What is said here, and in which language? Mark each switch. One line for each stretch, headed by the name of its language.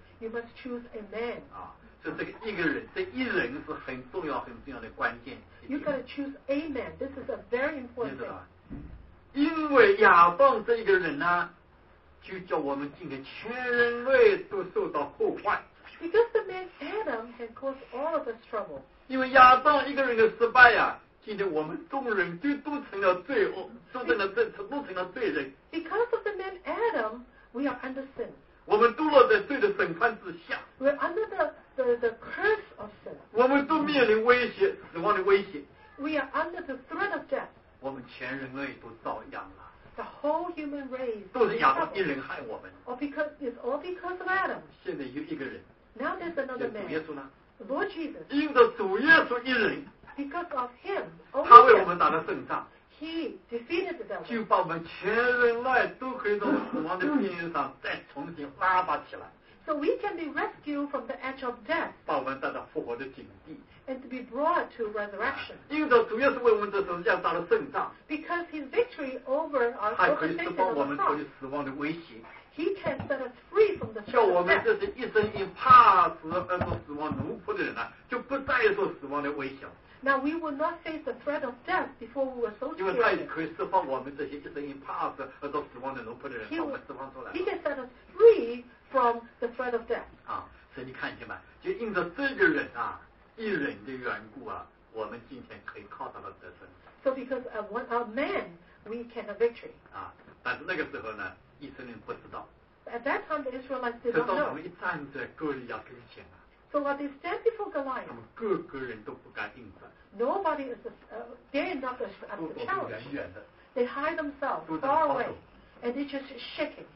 English: You must choose a man.
Chinese: 啊，所以这个一个人，这一人是很重要、很重要的关键。
English: You gotta choose a man. This is a very important thing.
Chinese: 因为亚当这一个人呢，就叫我们今天全人都受到破坏。
English: Because the man Adam has caused all of us trouble.
Chinese: 因为亚当一个人的失败呀、啊。今天我们众人就都成了罪恶，都成了罪人。
English: Because of the man Adam, we are under sin.
Chinese: 我们都落在罪的审判之下。
English: We're under the curse of sin.
Chinese: 我们都面临威胁，死亡的威胁。
English: We are under the threat of death.
Chinese: 我们全人类都遭殃了。
English: The whole human race.
Chinese: 都是亚当一人害我们。
English: Or because it's all because of Adam.
Chinese: 现在有一个人。
English: Now there's another man.
Chinese: 主耶稣呢
English: ？The Lord Jesus.
Chinese: 因着主耶稣一人。
English: Because of him, he
Chinese: 为我们打了胜仗。
English: He defeated the devil.
Chinese: 就把我们全人类都可以从死亡的边缘上再重新拉拔起来。
English: So we can be rescued from the edge of death.
Chinese: 把我们带到复活的境地。
English: And to be brought to resurrection.
Chinese: 因为主要是为我们这时候这样打了胜仗。
English: Because his victory over our sin.
Chinese: 还可以释放我们脱离死亡的威胁。
English: He can set us free from the threat of death.
Chinese: 叫我们这些一生因怕死而做死亡奴仆的人呢、啊，就不再做死亡的威胁。
English: Now we will not face the threat of death before we were so scared.
Chinese: 因为他也可以释放我们这些一生因怕死而做死亡的奴仆的人，把我们释放出来。
English: He can set us free from the threat of death.
Chinese: 啊，所以你看一下嘛，就因着这个人啊，一人的缘故啊，我们今天可以靠到了得胜。
English: So because of one of man, we can have victory.
Chinese: 啊，但是那个时候呢？以色列不知道。
English: At that time, the Israelites did not know.
Chinese: 可是我们一站在哥利亚跟前啊。
English: So while they stand before Goliath.
Chinese: 他们个个人都不敢应战。
English: Nobody is dare not to up the challenge.
Chinese: 远远的。
English: They hide themselves far away, and they just shaking.